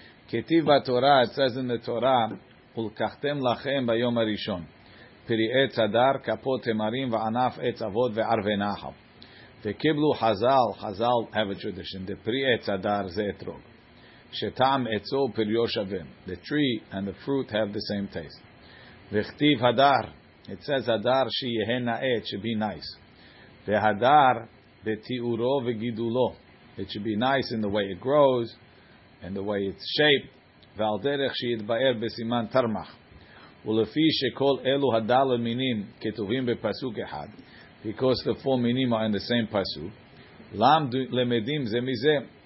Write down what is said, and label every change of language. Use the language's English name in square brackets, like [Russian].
[Hebrew] Ketiv Batorah, [English] it says in the Torah, [Hebrew] ולקחתם לכם ביום הראשון פרי עץ הדר, כפות תמרים וענף עץ אבות וערבי נחל. וקיבלו חזל [English] have a tradition, [Hebrew] the פרי עץ הדר זה אתרוג, שטעם עצו פריו שווה. [English] The tree and the fruit have the same taste. [Hebrew] וכתיב הדר, [English] it says [Hebrew] הדר שיהיה נאה, [English] it should be nice. [Hebrew] והדר בתיאורו וגידולו, [English] it should be nice in the way it grows, and the way it's shaped. [Hebrew] ועל דרך שיתבאר בסימן תרמח. ולפי שכל אלו הדל המינים כתובים בפסוק אחד, [English] because the four minim are in the same [Hebrew] פסוק, למדים זה מזה.